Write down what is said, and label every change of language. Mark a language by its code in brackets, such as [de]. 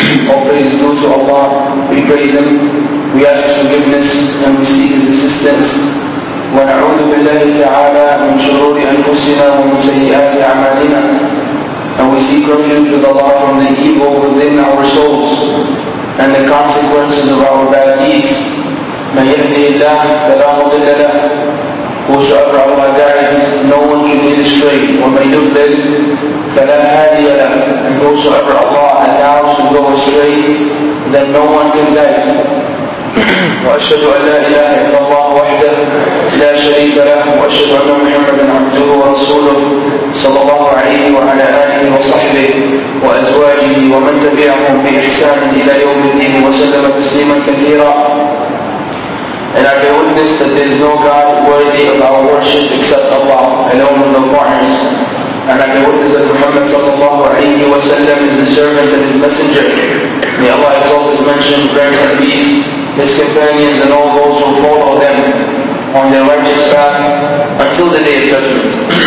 [en] All praise is due to Allah. We praise Him. We ask His forgiveness and we seek His assistance. [ar] ونعوذ بالله تعالى من شرور أنفسنا ومن سيئات أعمالنا. [en] And we seek refuge with Allah from the evil within our souls and the consequences of our bad deeds. [ar] من يهدي الله فلا مضل له. [en] Whosoever Allah guides, no one can lead astray. [ar] وَمَنْ يُضْلِلْ فَلَا هَادِيَ لَهُ. [en] And whosoever Allah allows to go astray, then no one can guide. [ar] وأشهد أن لا إله إلا الله وحده لا شريك له وأشهد أن محمدًا عبده ورسوله صلى الله عليه وعلى آله وصحبه وأزواجه ومن تبعهم بإحسان إلى يوم الدين وسلم تسليما كثيرا. [en] And I bear witness that there is no God worthy of our worship except Allah alone in the corners. And I bear witness that Muhammad sallallahu alayhi wa sallam is his servant and his messenger. May Allah exalt his mention, grant him peace, his companions and all those who follow them on their righteous path until the day of judgment.